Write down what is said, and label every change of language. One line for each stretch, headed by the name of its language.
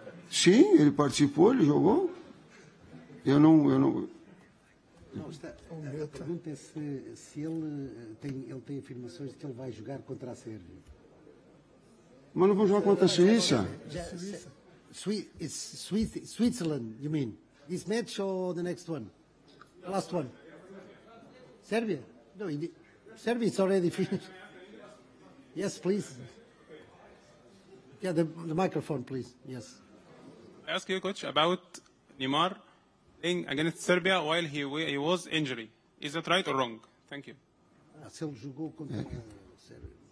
Portuguese: Sim, ele participou, ele jogou. Eu não. A pergunta é se ele tem afirmações de que ele vai jogar contra a Sérvia. Mas não vou jogar contra a Suíça?
English: Switzerland, you mean? This match or the next one? Last one? Sérvia? No, Sérvia is already finished. Yes, please. Yeah, the microphone, please. Yes. I ask you, coach, about Neymar playing against Serbia while he was injury. Is that right or wrong? Thank you.
Portuguese: Se ele jogou contra Sérvia.